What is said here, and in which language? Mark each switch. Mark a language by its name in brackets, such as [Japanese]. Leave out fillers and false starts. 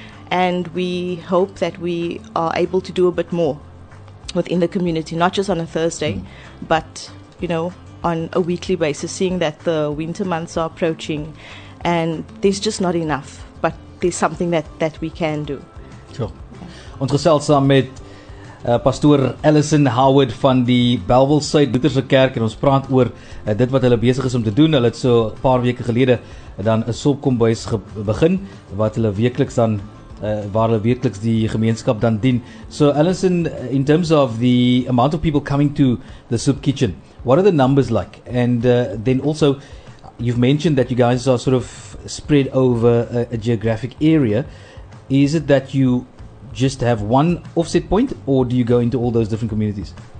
[English] And we hope that we are able to do a bit more within the community, not just on a Thursday, but, you know, on a weekly basis, seeing that the winter months are approaching and there's just not enough, but there's something that we can do. Sure. Yeah. [Afrikaans] Ons gesels saam met Pastoor Allison Howard van die Belville Suid Lutherse Kerk en ons praat oor dit wat hulle besig is om te doen. Hulle het so 'n paar weke gelede dan 'n sopkombuis begin wat hulle weekliks dan waar hulle weekliks die gemeenskap dan dien. [English] So Allison, in terms of the amount of people coming to the soup kitchen, what are the numbers like? And then also, you've mentioned that you guys are sort of spread over a geographic area. Is it that you just have one offset point, or do you go into all those different communities?